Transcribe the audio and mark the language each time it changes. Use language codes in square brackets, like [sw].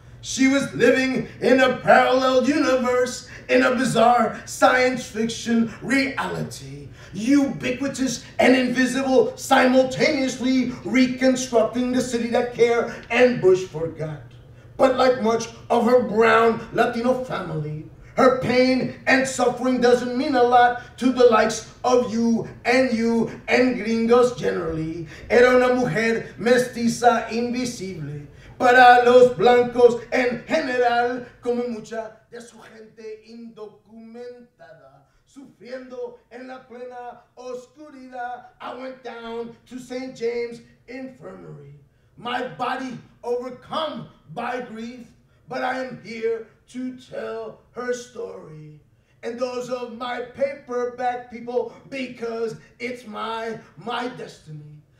[en] She was living in a parallel universe, in a bizarre science fiction reality, ubiquitous and invisible, simultaneously reconstructing the city that Care and Bush forgot. But like much of her brown Latino family, her pain and suffering doesn't mean a lot to the likes of you and gringos generally. [es] Era una mujer mestiza invisible para los blancos en general, como mucha de su gente indocumentada, sufriendo en la plena oscuridad. [en] I went down to St. James Infirmary, my body overcome by grief, but I am here to tell her story and those of my paperback people, because it's my destiny.